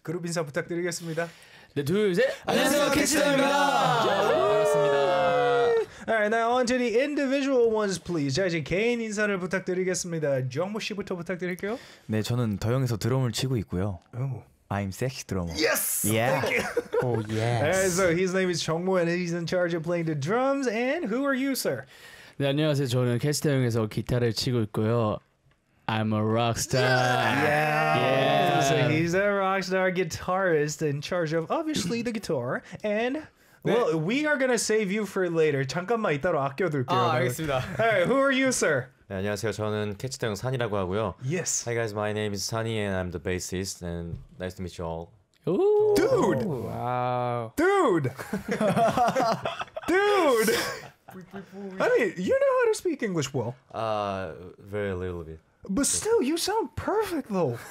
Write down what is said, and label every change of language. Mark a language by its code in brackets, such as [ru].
[ko] 그룹 인사 부탁드리겠습니다. 네, 둘, 셋! 안녕하세요, 캐치더입니다! 반갑습니다. [en] Alright, now on to the individual ones, please. [ko] 자, 이제 개인 인사를 부탁드리겠습니다. 정모 씨부터 부탁드릴게요. 네, 저는 더영에서 드럼을 치고 있고요. [en] I'm sexy drummer. Yes! Yeah. Thank you! Oh, yes. Alright, so his name is 정모 and he's in charge of playing the drums. And who are you, sir? [ko] 네, 안녕하세요. 저는 캐치더영에서 기타를 치고 있고요. [en] I'm a rock star. Yeah. Yeah. So he's a rock star guitarist in charge of obviously the guitar. And well, we are gonna save you for later. [ko] 잠깐만 이따로 아껴둘게요. 아, 알겠습니다. [en] Hey, who are you, sir? [ko] 네, 안녕하세요. 저는 캐치더영 산이라고 하고요. [en] Yes. Hi guys, my name is Sunny and I'm the bassist. And nice to meet you all. Ooh. Dude. Ooh, wow. Dude. Dude. I mean, you know how to speak English well. Very little bit. But still, you sound perfect, though.